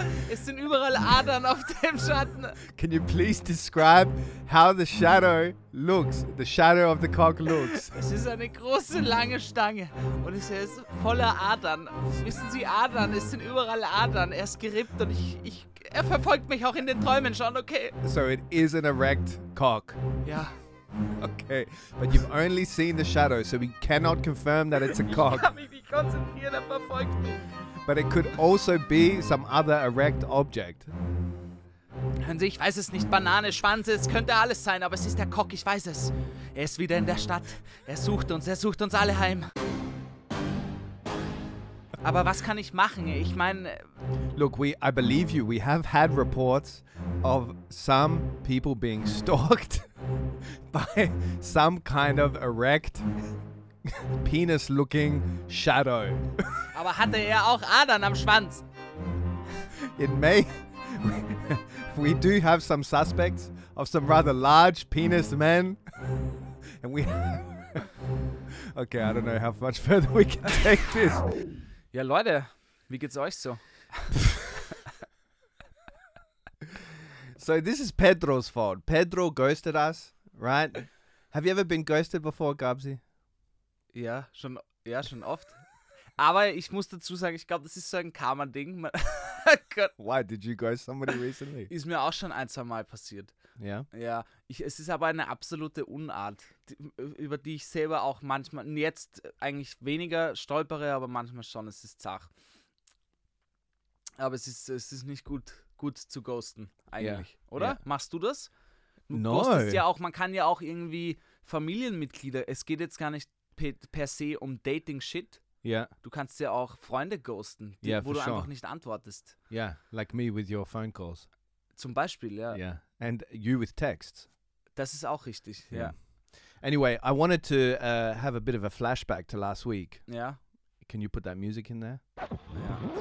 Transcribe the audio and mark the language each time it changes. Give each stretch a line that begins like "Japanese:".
German: Es sind überall Adern auf dem Schatten.
English: Can you please describe how the shadow looks? The shadow of the cock looks.
German: Es ist eine große, lange Stange. Und es ist voller Adern. Wissen Sie, Adern? Es sind überall Adern. Er ist gerippt und er verfolgt mich auch in den Träumen schon, okay?
English: So it is an erect cock.
German: Ja.
English: Okay, but you've only seen the shadow, so we cannot confirm that it's a cock.
German: Ich kann mich nicht konzentrieren, er verfolgt mich.
English: But it could also be some other erect object.
German: Hören Sie, ich weiß es nicht. Banane, Schwanze, es könnte alles sein, aber es ist der Cock, ich weiß es. Er ist wieder in der Stadt. Er sucht uns alle heim. Aber was kann ich machen? Ich meine...
English: Look, I believe you. We have had reports of some people being stalked by some kind of erect, penis-looking shadow.
German: Aber hatte er auch Adern am Schwanz?
English: It may... We do have some suspects of some rather large penis men. And we... Okay, I don't know how much further we can take this.
German: Ja, Leute, wie geht's euch so?
English: So this is Pedro's fault. Pedro ghosted us, right? Have you ever been ghosted before, Gabsi?
German: Ja, schon oft. Aber ich muss dazu sagen, ich glaube, das ist so ein Karma-Ding.
English: Why, did you ghost somebody recently?
German: Ist mir auch schon ein, zwei Mal passiert. Ja? Ja, es ist aber eine absolute Unart, über die ich selber auch manchmal, jetzt eigentlich weniger stolpere, aber manchmal schon, es ist zach. Aber es ist nicht gut zu ghosten, eigentlich. Ja. Oder? Ja. Machst du das?
English: No.
German: Ghostest ja auch, man kann ja auch irgendwie Familienmitglieder, es geht jetzt gar nicht per se um Dating-Shit. Ja. Du kannst ja auch Freunde ghosten, wo du einfach nicht antwortest.
English: Ja, like me with your phone calls.
German: Zum Beispiel, ja.
English: Yeah. And you with texts.
German: Das ist auch richtig, ja.
English: Yeah. Anyway, I wanted to have a bit of a flashback to last week.
German: Ja.
English: Can you put that music in there?
German: Ja.